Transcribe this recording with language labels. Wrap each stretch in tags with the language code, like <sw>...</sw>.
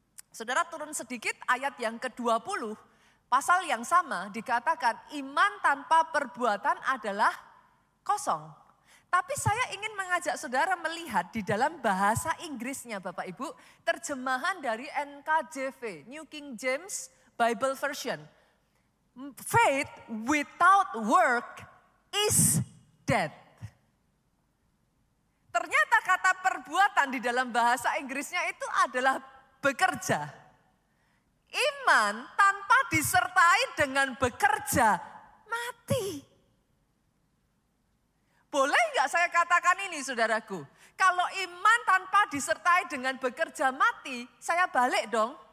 <id>Saudara turun sedikit ayat yang ke-20, pasal yang sama dikatakan iman tanpa perbuatan adalah kosong. Tapi saya ingin mengajak saudara melihat di dalam bahasa Inggrisnya, Bapak Ibu, terjemahan dari NKJV, New King James Bible Version.</id> <en>Faith without work is dead.</en> <id>Ternyata kata perbuatan di dalam bahasa Inggrisnya itu adalah bekerja. Iman tanpa disertai dengan bekerja, mati. Boleh enggak saya katakan ini, saudaraku? Kalau iman tanpa disertai dengan bekerja mati, saya balik dong.</id>